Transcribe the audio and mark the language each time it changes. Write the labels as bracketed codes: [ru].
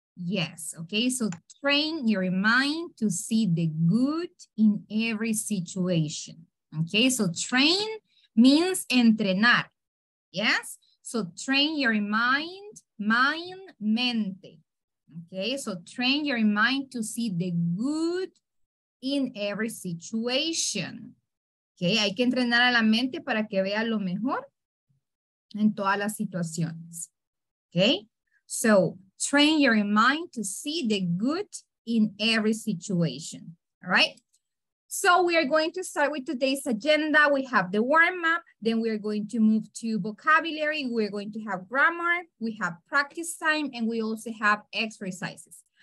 [en] Yes, okay, so train your mind to see the good in every situation. Okay, so train means entrenar, yes? So train your mind, mente. Okay, so train your mind to see the good in every situation. [es] Okay, hay que entrenar a la mente para que vea lo mejor en todas las situaciones. [en] Okay, so train your mind to see the good in every situation. All right. So we are going to start with today's agenda. We have the warm up. Then we are going to move to vocabulary. We're going to have grammar. We have practice time. And we also have exercises.